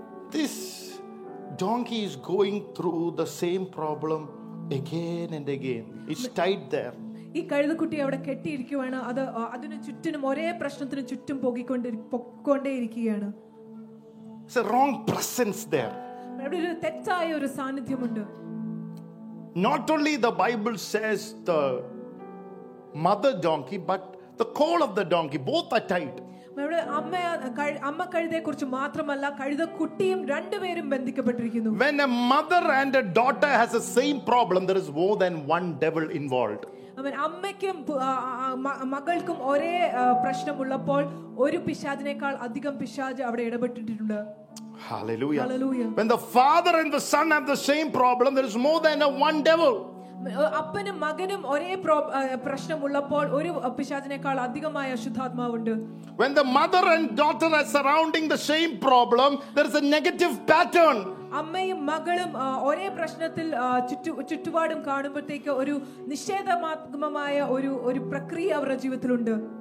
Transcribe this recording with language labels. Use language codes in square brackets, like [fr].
[en] This donkey is going through the same problem again and again. It's tied there. [ml] ഈ കഴുതക്കുട്ടി അവിടെ കെട്ടിയിരിക്കുകയാണ് അത് അതിനു ചുറ്റിനും ഒരേ പ്രശ്നത്തിനു ചുറ്റും പൊക്കൊണ്ടേയിരിക്കുകയാണ്. [en] It's a wrong presence there. [ml] അവിടെ ഒരു തെറ്റായ ഒരു സാന്നിധ്യമുണ്ട്. [en] Not only the Bible says the mother donkey but the colt of the donkey both are tied. [ml] മെവിടെ അമ്മ കഴുതയെക്കുറിച്ച് മാത്രമല്ല കഴുതക്കുട്ടിയും രണ്ടുപേരും ബന്ധിക്കപ്പെട്ടിരിക്കുന്നു. [en] When a mother and a daughter has the same problem there is more than one devil involved. [ml] അമ്മയ്ക്കും മകൾക്കും ഒരേ പ്രശ്നമുള്ളപ്പോൾ ഒരു പിശാചിനേക്കാൾ അധികം പിശാച് അവിടെ ഇടപെട്ടിട്ടുണ്ട്. [en] Hallelujah. Hallelujah. When the father and the son have the same problem there is more than one devil. [ml] അപ്പനും മകനും ഒരേ പ്രശ്നമുള്ളപ്പോൾ ഒരു പിശാചിനേക്കാൾ അധികമായ അശുദ്ധാത്മാവുണ്ട്. [en] When the mother and daughter are surrounding the same problem, there is a negative pattern. [ml] അമ്മയും മകളും ഒരേ പ്രശ്നത്തിൽ ചുറ്റുപാടും കാണുമ്പോഴത്തേക്ക് ഒരു നിഷേധാത്മകമായ ഒരു ഒരു പ്രക്രിയ അവരുടെ ജീവിതത്തിലുണ്ട്.